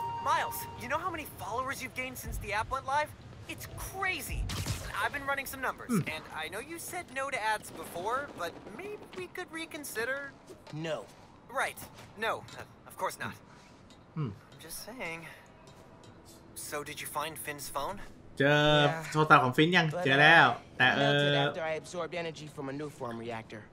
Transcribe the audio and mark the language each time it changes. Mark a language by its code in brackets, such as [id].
[en] Miles, you know how many followers you've gained since the app went live? It's crazy. I've been running some numbers, and I know you said no to ads before, but maybe we could reconsider? No. Right. No. Of course not. I'm just saying. So did you find Finn's phone? [th] เจอโทรศัพท์ของฟินยังเจอแล้วแต่ [en] after I absorbed energy from a new form reactor.